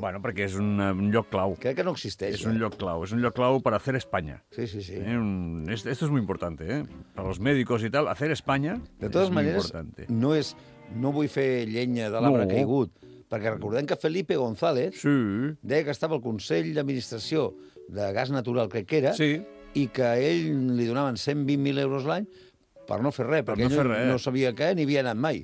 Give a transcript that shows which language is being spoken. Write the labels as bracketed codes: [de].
[ca] Bueno, perquè és un lloc clau. Crec que no existeix. És un lloc clau. És un lloc clau per [es] hacer España. [ca] Sí, sí, sí. [es] Esto es muy importante, ¿eh? Para los médicos y tal, hacer España [ca] de totes maneres, no és... No vull fer llenya de l'arbre caigut, perquè recordem que Felipe González deia que estava al Consell d'Administració de Gas Natural, crec que era, i que a ell li donaven 120.000 euros l'any per no fer res, perquè ell no sabia què ni havia anat mai.